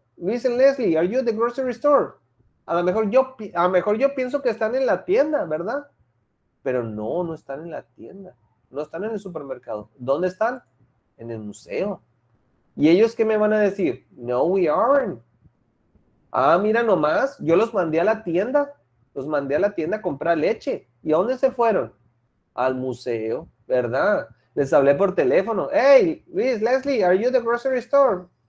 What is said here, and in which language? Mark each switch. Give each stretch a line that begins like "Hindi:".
English: Luis and Leslie, are you at the grocery store?
Spanish: A lo mejor yo pienso que están en la tienda, ¿verdad? Pero no, no están en la tienda. No están en el supermercado. ¿Dónde están? En el museo. ¿Y ellos qué me van a decir?
English: No, we aren't.
Spanish: Ah, mira nomás, yo los mandé a la tienda. Los mandé a la tienda a comprar leche. ¿Y a dónde se fueron? Al museo, ¿verdad? Les hablé por teléfono.
English: Hey, Luis, Leslie, are you at the grocery store?